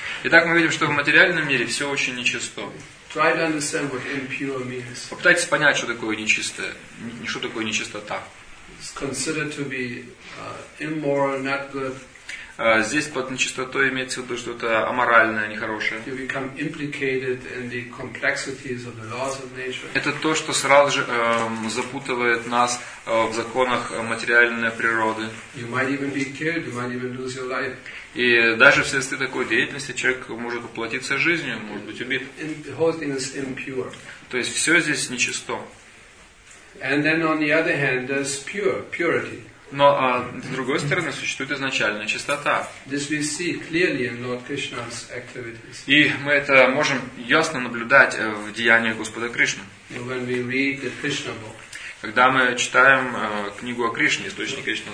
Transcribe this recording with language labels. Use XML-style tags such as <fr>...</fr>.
<ru>Итак, мы видим, что в материальном мире все очень нечисто.</ru> <en>Try to understand what impure means.</en> <ru>Попытайтесь понять, что такое нечистое, что такое нечистота.</ru> <en>It's considered to be immoral, not good.</en> <ru>Здесь под нечистотой имеется в виду что-то аморальное, нехорошее.</ru> <en>You become implicated in the complexities of the laws of nature.</en> <ru>Это то, что сразу же запутывает нас в законах материальной природы.</ru> <en>You might even be killed, you might even lose your life.</en> <ru>И даже вследствие такой деятельности человек может уплатиться жизнью, может быть убит.</ru> <en>The whole thing is impure.</en> <ru>То есть все здесь нечисто.</ru> <en>And then on the other hand, there's pure, purity.</en> <ru>Но с другой стороны существует изначальная чистота.</ru> <en>This we see clearly in Lord Krishna's activities.</en> <ru>И мы это можем ясно наблюдать в деяниях Господа Кришны.</ru> <en>When we read the Krishna book.</en> <ru>Когда мы читаем книгу о Кришне, источник Кришны</ru>